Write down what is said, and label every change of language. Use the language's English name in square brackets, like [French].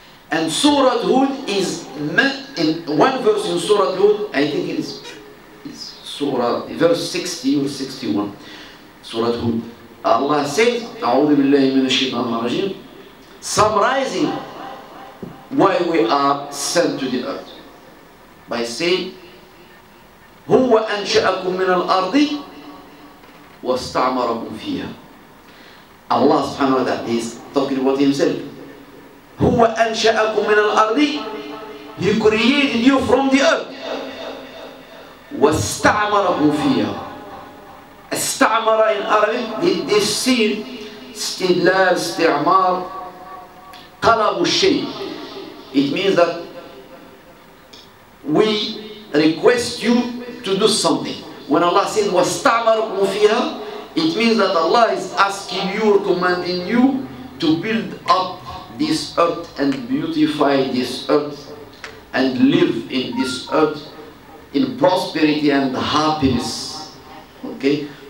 [English] And Surah Hud is meant in one verse in Surah Hud, I think it's Surah, verse 60 or 61. Surah Hud. Allah says, A'udhu billahi min ash-shaytan ar-rajim, summarizing why we are sent to the earth. By saying, [Arabic] هو أنشأكم من الأرض واستعمركم فيها. [English] Allah subhanahu wa ta'ala is talking about Himself. [Arabic] هو أنشأكم من الأرض [English] He created you from the earth. [Arabic] واستعمره فيها. استعمر [English] in Arabic, this seal, [Arabic] استدلال, استعمار, قلب الشيء. [English] It means that we request you to do something. When Allah said [Arabic] واستعمركم فيها, [English] it means that Allah is asking you or commanding you to build up this earth and beautify this earth and live in this earth in prosperity and happiness. Okay?